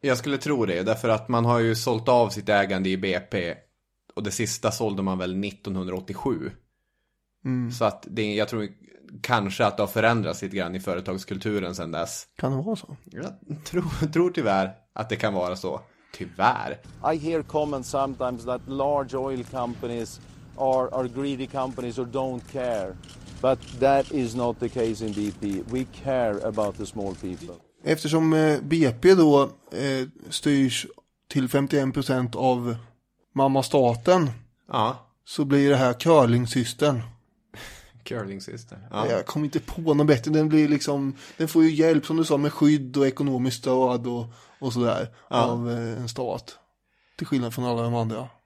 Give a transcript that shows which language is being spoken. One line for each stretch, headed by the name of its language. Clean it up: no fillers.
Swedish: Jag skulle tro det, därför att man har ju sålt av sitt ägande i BP, och det sista sålde man väl 1987. Mm. Så att det, jag tror kanske att det har förändrats lite grann i företagskulturen sedan dess. Kan det vara så? Jag tror tyvärr att det kan vara så. Tyvärr.
English: I hear comments sometimes that large oil companies are greedy companies or don't care. But that is not the case in BP. We care about the small people.
Swedish: Eftersom BP då styrs till 51% av mamma staten, ja, så blir det här curlingsystern. Curlingsystern, ja. Jag kommer inte på något bättre. Den blir liksom, den får ju hjälp, som du sa, med skydd och ekonomiskt stöd och sådär, ja, av en stat. Till skillnad från alla de andra.